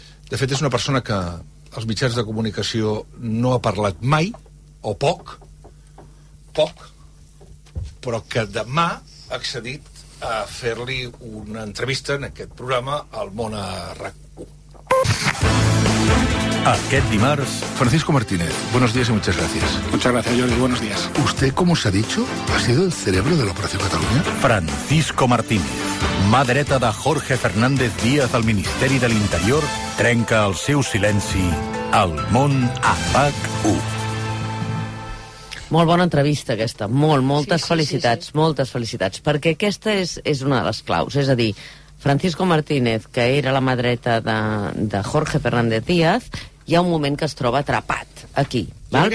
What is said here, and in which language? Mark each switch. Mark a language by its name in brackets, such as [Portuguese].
[Catalan] De fet, és una persona que els mitjans de comunicació no ha parlat mai, o poc, poc, però que demà ha accedit a fer-li una entrevista en aquest programa al Mona RAC1. Aquest dimarts, [Spanish] Francisco Martínez, buenos días y muchas gracias. Muchas gracias, Jordi, buenos días. ¿Usted, como se ha dicho, ha sido el cerebro de la Operación Cataluña? [Catalan] Francisco Martínez, mà dreta de Jorge Fernández Díaz al Ministeri de l'Interior, trenca el seu silenci al món a RAC1. Molt bona entrevista, aquesta. Molt, moltes sí, felicitats, sí, sí, sí. Moltes felicitats. Perquè aquesta és una de les claus. És a dir, Francisco Martínez, que era la mà dreta de Jorge Fernández Díaz, hi ha un moment que es troba atrapat aquí. Val?